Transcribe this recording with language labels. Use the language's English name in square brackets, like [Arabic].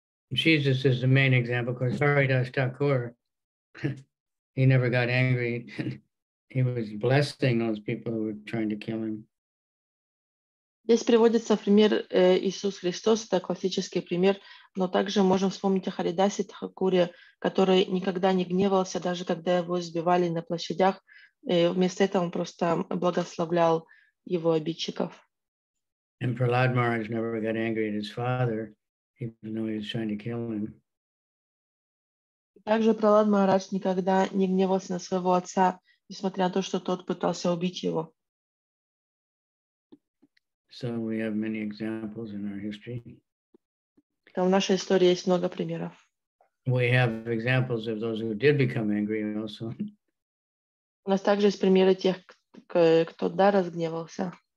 [English] Jesus is the main example, because Haridas Thakur, he never got angry. He was blessing those people who were trying to kill him. [Russian] Здесь приводится пример Иисус Христос, это классический пример, но также можем вспомнить о Харидасе Тхакуре, который никогда не гневался, даже когда его избивали на площадях. Вместо этого он просто благословлял его обидчиков. [English] And Prahlad Maharaj never got angry at his father, even though he was trying to kill him. [Russian] Также Прохлад Махарадж никогда не гневался на своего отца, несмотря на то, что тот пытался убить его. [English] So we have many examples in our history. [Russian] Там в нашей истории есть много примеров. [English] We have examples of those who did become angry also. [Russian] У нас также есть примеры тех, кто да, разгневался.